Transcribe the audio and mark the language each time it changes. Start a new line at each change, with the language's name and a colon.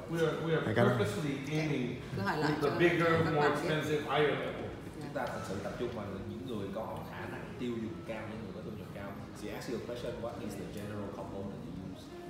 English: We are purposely aiming the bigger, more expensive, higher level.
Vietnamese: Chúng ta thật sự tập trung vào những người có khả năng tiêu dùng cao, những người có thu nhập cao.
English: She asked you a question, what is the general combo that you use?